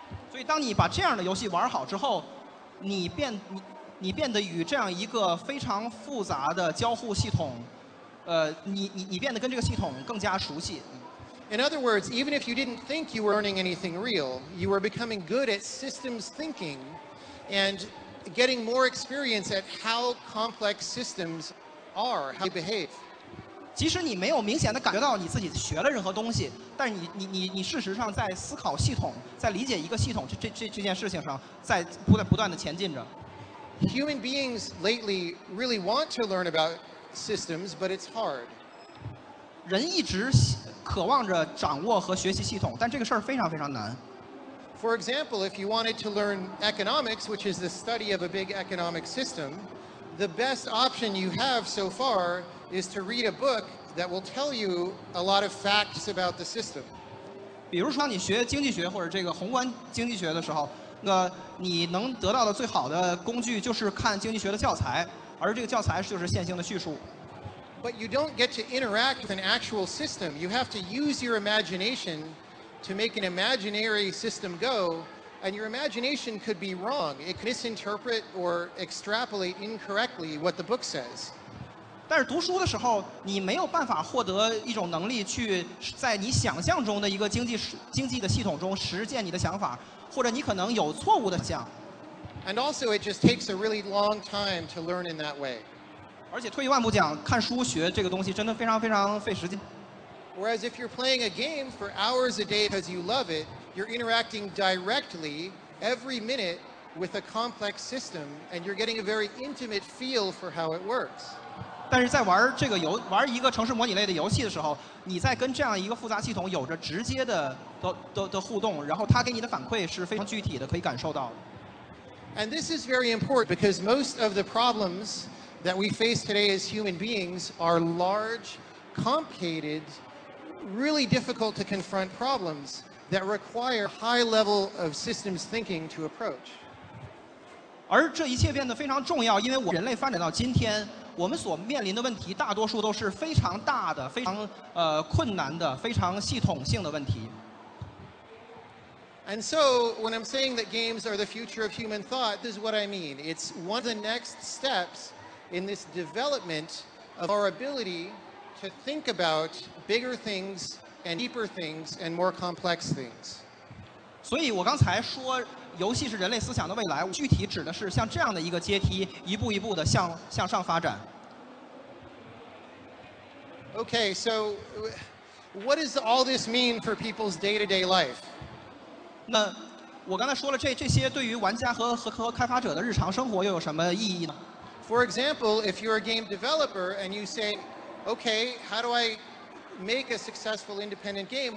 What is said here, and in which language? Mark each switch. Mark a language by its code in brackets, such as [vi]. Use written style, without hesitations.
[zh] 所以当你把这样的游戏玩好之后，你变得与这样一个非常复杂的交互系统，你变得跟这个系统更加熟悉。 [en] In other words, even if you didn't think you were learning anything real, you were becoming good at systems thinking and getting more experience at how complex systems are, how they behave. [zh] 即使你没有明显的感觉到你自己学了任何东西，但是你事实上在思考系统，在理解一个系统这件事情上，在不断的前进着。 [en] Human beings lately really want to learn about systems, but it's hard. [zh] 人一直渴望着掌握和学习系统，但这个事儿非常非常难。 [en] For example, if you wanted to learn economics, which is the study of a big economic system, the best option you have so far is to read a book that will tell you a lot of facts about the system. [zh] 比如说你学经济学或者这个宏观经济学的时候，那你能得到的最好的工具就是看经济学的教材，而这个教材就是线性的叙述。 [en] But you don't get to interact with an actual system. You have to use your imagination to make an imaginary system go, and your imagination could be wrong. It could misinterpret or extrapolate incorrectly what the book says. [zh] 但是读书的时候，你没有办法获得一种能力去在你想象中的一个经济的系统中实践你的想法，或者你可能有错误的想。 [en] And also, it just takes a really long time to learn in that way. [zh] 而且退一万步讲，看书学这个东西真的非常非常费时间。 [en] Whereas if you're playing a game for hours a day because you love it, you're interacting directly every minute with a complex system, and you're getting a very intimate feel for how it works. [zh] 但是在玩一个城市模拟类的游戏的时候，你在跟这样一个复杂系统有着直接的互动，然后它给你的反馈是非常具体的，可以感受到的。 [en] And this is very important because most of the problems that we face today as human beings are large, complicated, really difficult to confront problems that require high level of systems thinking to approach. [zh] 而这一切变得非常重要，因为我们人类发展到今天，我们所面临的问题大多数都是非常大的，非常困难的，非常系统性的问题。 [en] And so, when I'm saying that games are the future of human thought, this is what I mean. It's one of the next steps in this development of our ability to think about bigger things and deeper things and more complex things. [zh] 所以我刚才说游戏是人类思想的未来，具体指的是像这样的一个阶梯，一步一步的向上发展。 [en] Okay, so what does all this mean for people's day-to-day life? [zh] 那我刚才说了这些对于玩家和开发者的日常生活又有什么意义呢？ [en] For example, if you're a game developer and you say, okay, how do I make a successful independent game?